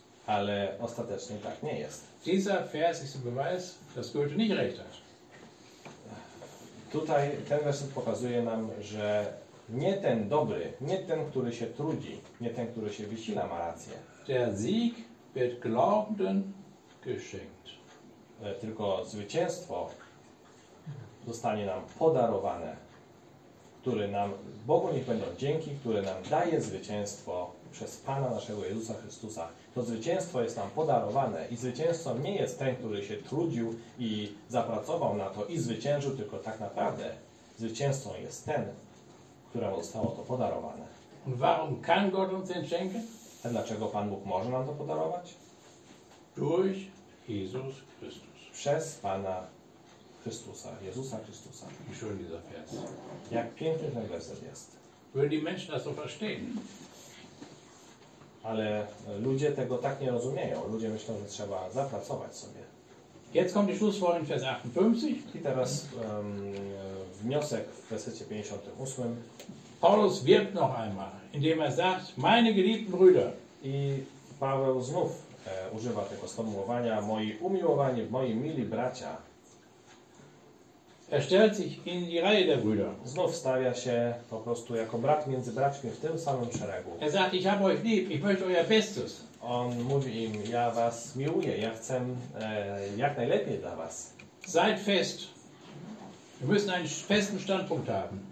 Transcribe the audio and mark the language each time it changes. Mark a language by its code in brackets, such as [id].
[pl] Ale ostatecznie tak nie jest. [de] Dieser Vers ist ein Beweis, dass Goethe nicht recht hat. [pl] Tutaj ten werset pokazuje nam, że nie ten dobry, nie ten, który się trudzi, nie ten, który się wysila, ma rację. [de] Der Sieg wird Glauben geschenkt. [pl] Tylko zwycięstwo zostanie nam podarowane, który nam, Bogu niech będą dzięki, który nam daje zwycięstwo przez Pana naszego Jezusa Chrystusa. To zwycięstwo jest nam podarowane i zwycięzcą nie jest ten, który się trudził i zapracował na to i zwyciężył, tylko tak naprawdę zwycięzcą jest ten, któremu zostało to podarowane. [de] Warum kann Gott uns den schenken? [pl] A dlaczego Pan Bóg może nam to podarować? [de] Durch Jesus Christus. [pl] Przez Pana Chrystusa, Jezusa Chrystusa. [de] Wie schön dieser Vers. [pl] Jak piękny ten werset jest. [de] Würden die Menschen das so verstehen? [pl] Ale ludzie tego tak nie rozumieją. Ludzie myślą, że trzeba zapracować sobie. [de] Jetzt kommt die Schlussfolgerung Vers 58. [pl] I teraz wniosek w wersecie 58. [de] Paulus wirbt noch einmal, indem er sagt, meine geliebten Brüder. [pl] I Paweł znów używa tego sformułowania, moi umiłowani, moi mili bracia. [de] Er stellt sich in die Reihe der Brüder. [pl] Znów stawia się po prostu jako brat między braćmi w tym samym szeregu. [de] Er sagt, ich habe euch lieb, ich möchte euer Bestes. [pl] On mówi im, ja was miłuję, ja chcę jak najlepiej dla was. [de] Seid fest, Wir müssen einen festen Standpunkt haben.